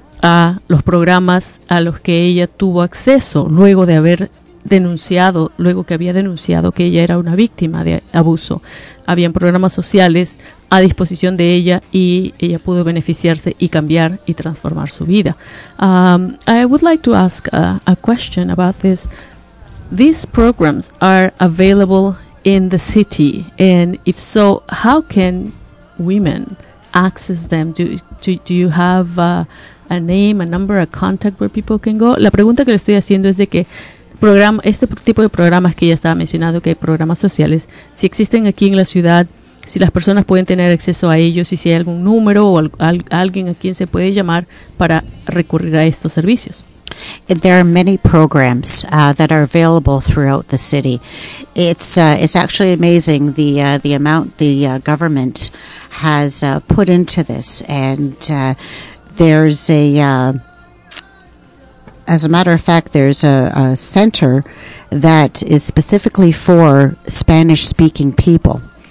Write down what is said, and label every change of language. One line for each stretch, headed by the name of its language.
Spanish: a los programas a los que ella tuvo acceso luego de haber denunciado, luego que había denunciado que ella era una víctima de abuso. Habían programas sociales a disposición de ella y ella pudo beneficiarse y cambiar y transformar su vida.
English: I would like to ask a question about this. These programs are available in the city, and if so, how can women access them? Do you have a name, a number, a contact where people can go?
Spanish: La pregunta que le estoy haciendo es de que programa, este tipo de programas que ya estaba mencionando, que hay programas sociales, si existen aquí en la ciudad, si las personas pueden tener acceso a ellos y si hay algún número o alguien a quien se puede llamar para recurrir a estos servicios.
English: There are many programs that are available throughout the city. It's actually amazing the amount the government has put into this. And there's a, as a matter of fact, there's a center that is specifically for Spanish-speaking people.